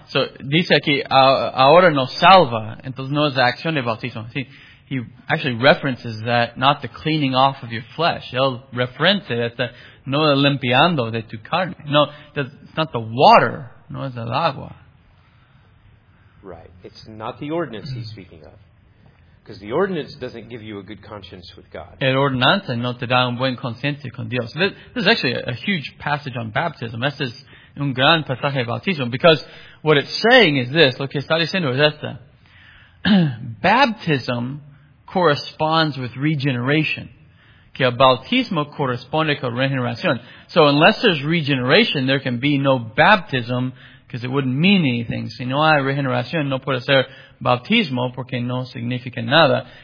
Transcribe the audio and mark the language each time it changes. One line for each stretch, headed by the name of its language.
Spanish: So dice aquí, ahora nos salva, entonces no es la acción de bautismo.
English: See, he actually references that, not the cleaning off of your flesh.
Spanish: Él reference that, no el limpiando de tu carne.
English: No, it's not the water,
Spanish: no es el agua.
English: Right. It's not the ordinance he's speaking of. Because the ordinance doesn't give you a good conscience with God.
Spanish: El ordenanza no te da un buen conciencia con Dios.
English: This is actually a huge passage on baptism. This is
Spanish: un gran pasaje de bautismo.
English: Because what it's saying is this.
Spanish: Lo que está diciendo es esta.
English: Baptism corresponds with regeneration.
Spanish: Que el bautismo corresponde con regeneración.
English: So unless there's regeneration, there can be no baptism. Because it wouldn't mean anything.
Spanish: Si no hay regeneración, no puede ser bautismo, porque no significa nada.